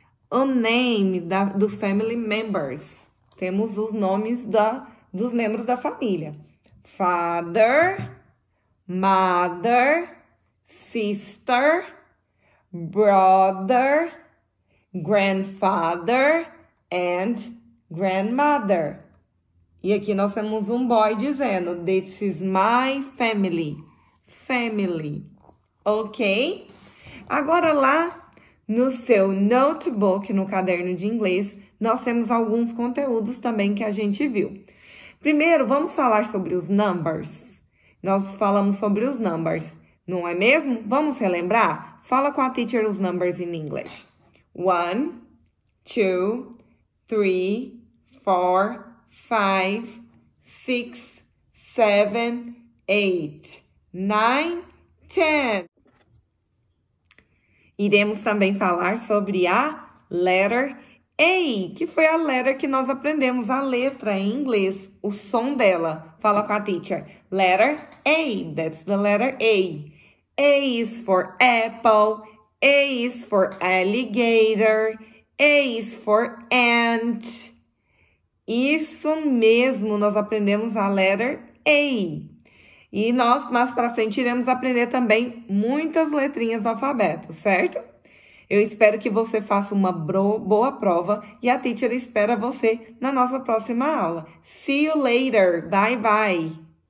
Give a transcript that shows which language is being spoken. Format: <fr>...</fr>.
<en>O name do family members.</en> <pt>Temos os nomes dos membros da família.</pt> <en>Father, mother, sister, brother, grandfather and grandmother.</en> <pt>E aqui nós temos um boy dizendo:</pt> <en>This is my family.</en> <pt>Family. Ok? Agora lá no seu notebook, no caderno de inglês, nós temos alguns conteúdos também que a gente viu. Primeiro, vamos falar sobre os numbers. Nós falamos sobre os numbers, não é mesmo? Vamos relembrar? Fala com a teacher os numbers</pt> <en>in English. One, two, three, four, five, six, seven, eight, nine, ten.</en> <pt>Iremos também falar sobre a letter A, que foi a letra que nós aprendemos, a letra em inglês, o som dela. Fala com a teacher.</pt> <en>Letter A, that's the letter A. A is for apple, A is for alligator, A is for ant.</en> <pt>Isso mesmo, nós aprendemos a letter A. E nós, mais para frente, iremos aprender também muitas letrinhas do alfabeto, certo? Eu espero que você faça uma boa prova e a teacher espera você na nossa próxima aula.</pt> <en>See you later. Bye bye.</en>